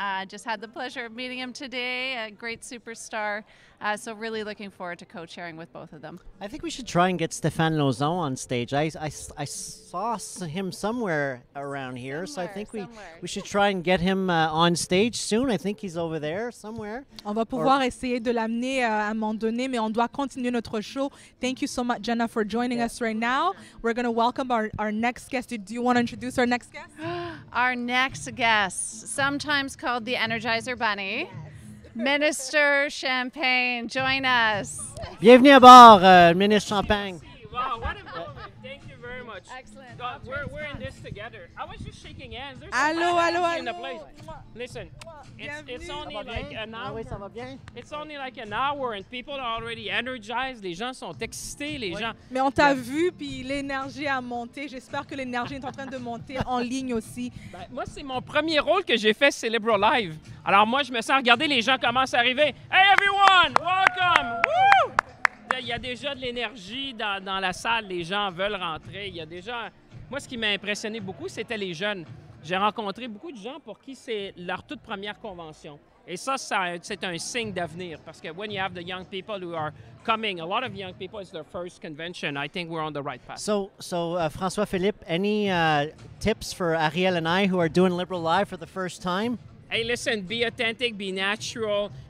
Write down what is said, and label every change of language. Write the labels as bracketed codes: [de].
[en] Just had the pleasure of meeting him today, a great superstar. So really looking forward to co-chairing with both of them. I think we should try and get Stéphane Lauzon on stage. I saw him somewhere around here, so I think we should try and get him on stage soon. I think he's over there somewhere. [fr] On va pouvoir essayer de l'amener à un moment donné, mais on doit continuer notre show. [en] Thank you so much, Jenna, for joining us right now. We're going to welcome our next guest. Do you want to introduce our next guest? Our next guest, sometimes called the Energizer Bunny. Yes. Minister Champagne, join us. [fr] Bienvenue à bord, Ministre Champagne. [en] Wow, what a moment. Thank you very much. Excellent. We're in this together. I was just shaking hands. There's [fr] allô. [en] In the place. Listen, it's only like an hour and people are already energized. [fr] Les gens sont excités, gens. Mais on t'a vu, puis l'énergie a monté. J'espère que l'énergie est en train de monter en ligne aussi. Ben, moi, c'est mon premier rôle que j'ai fait, Libéral Live. Alors moi, je me sens regarder les gens commencent à arriver. [en] Hey everyone, welcome! [fr] Woo! Il y a déjà de l'énergie dans la salle. Les gens veulent rentrer. Il y a déjà... Moi, ce qui m'a impressionné beaucoup, c'était les jeunes. J'ai rencontré beaucoup de gens pour qui c'est leur toute première convention. Et ça c'est un signe d'avenir. Parce que [en] when you have the young people who are coming, a lot of young people, it's their first convention. I think we're on the right path. So, François-Philippe, any tips for Ariel and I who are doing Libéral Live for the first time? Hey, listen, be authentic, be natural.